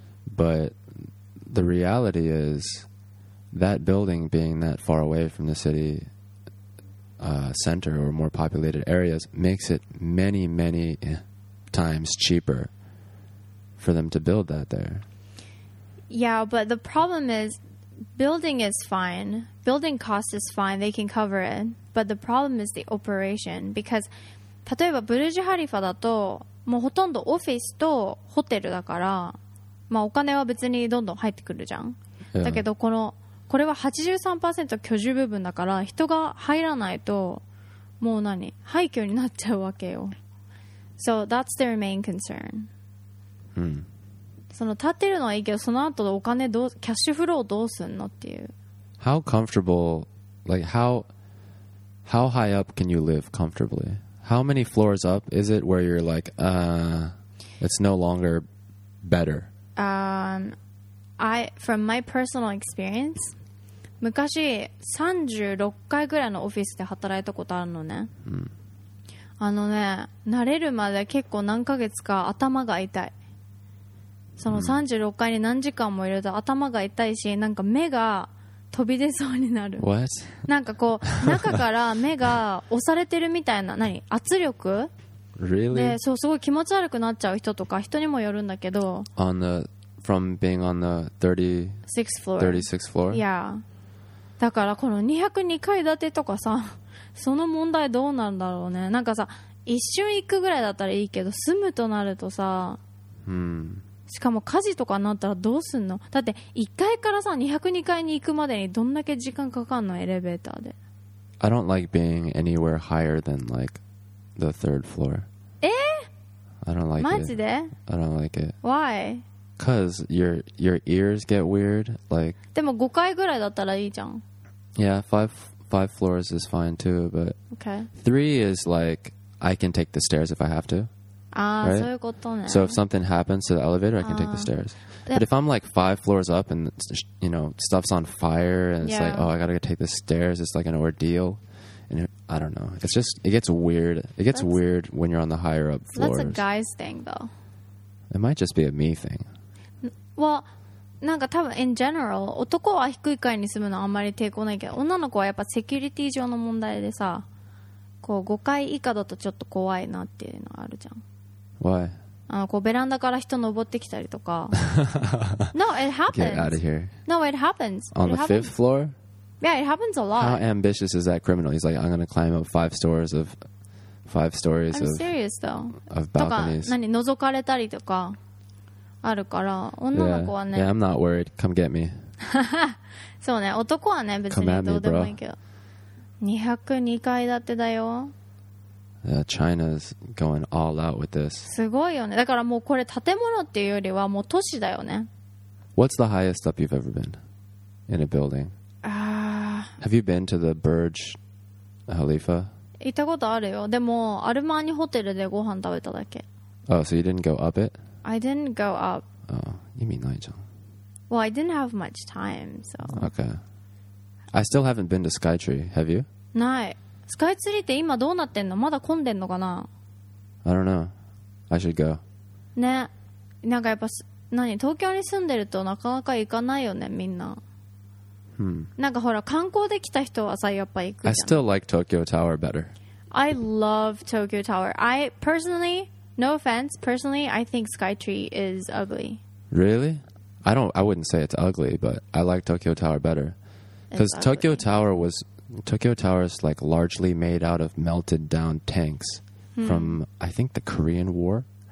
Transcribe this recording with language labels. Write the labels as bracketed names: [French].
[English] But the reality is that building being that far away from the city center or more populated areas makes it many, many times cheaper for them to build that there. Yeah, but the problem is building is fine. Building cost is fine. They can cover it. But the problem is the operation. Because, [Japanese] 例えばブルジュハリファだと、もうほとんどオフィスとホテルだから、まあお金は別にどんどん入ってくるじゃん。 [English] Yeah. [Japanese] だけど、この、これは 83% 居住部分だから、人が入らないと、もう何? 廃墟になっちゃうわけよ。 [English] So that's their main concern. Hmm. [Japanese] その建てるのはいいけど、その後のお金どう、キャッシュフローどうすんのっていう。 [English] How comfortable, like how high up can you live comfortably? How many floors up is it where you're like, it's no longer better? From my personal experience, [Japanese] 昔36階ぐらいのオフィスで働いたことあるのね。あのね、慣れるまで結構何ヶ月か頭が痛い。その36階に何時間もいると頭が痛いし、なんか目が飛び出そうになる。 [English] What? [Japanese] なんかこう中から目が押されてるみたいな、何圧力、 [English] really? [Japanese] で、そうすごい気持ち悪くなっちゃう人とか、人にもよるんだけど。 [English] On the from being on the 36th floor. Yeah. [Japanese] だからこの202階建てとかさ、その問題どうなんだろうね。なんかさ一瞬行くぐらいだったらいいけど、住むとなるとさ。しかも火事とかになったらどうすんの。だって1階からさ202階に行くまでにどんだけ時間かかんの、エレベーターで。 [English] I don't like being anywhere higher than like the third floor. I don't like [Japanese] マジで? [English] I don't like it. Why? Because your ears get weird. Like, [Japanese] でも5階ぐらいだったらいいじゃん。 [English] Yeah, five floors is fine too, but okay. Three is like I can take the stairs if I have to. Ah, right? So if something happens to the elevator, I can take the stairs. But if I'm like five floors up and, you know, stuff's on fire and it's like, oh, I got to take the stairs. It's like an ordeal. And I don't know. It's just, it gets weird. It gets weird when you're on the higher up floors. That's a guy's thing, though. It might just be a me thing. Well, [Japanese] なんか多分 [English] in general [Japanese] 男は低い階に住むのあんまり抵抗ないけど、女の子はやっぱセキュリティ上の問題でさ、こう5階以下だとちょっと怖いなっていうのがあるじゃん。 [English] Why? [Japanese] あのこうベランダから人登ってきたりとか。 [English] No, it happens. Get out of here. No, it happens. On the fifth floor? Yeah, it happens a lot. How ambitious is that criminal? He's like, I'm gonna climb up five stories I'm serious though. Of balconies. [Japanese] とか何覗かれたりとかあるから女の子はね、 [English] yeah, I'm not worried. Come get me. [Japanese] そうね、男はね別にどうでもいいけど。 202階建てだよ。 [English] Yeah, China's going all out with this. [Japanese] すごいよね。だからもうこれ建物っていうよりはもう都市だよね。 [English] What's the highest up you've ever been in a building? Have you been to the Burj Khalifa? [Japanese] 行ったことあるよ。でもアルマーニホテルでご飯食べただけ。 [English] Oh, so you didn't go up it? I didn't go up. [Japanese] Oh, 意味ないじゃん。 [English] Well, I didn't have much time, so. Okay. I still haven't been to Skytree, have you? [Japanese] ない。Skytree って今どうなってんの？まだ混んでんのかな？ [English] I don't know. I should go. [Japanese] ね。なんかやっぱ、何？東京に住んでるとなかなか行かないよね、みんな。 Hmm. なんかほら、観光で来た人はさ、やっぱ行くじゃん。 [English] I still like Tokyo Tower better. I love Tokyo Tower. I personally... No offense, personally, I think Skytree is ugly. Really? I wouldn't say it's ugly, but I like Tokyo Tower better. Because Tokyo Tower is like largely made out of melted down tanks from, I think, the Korean War.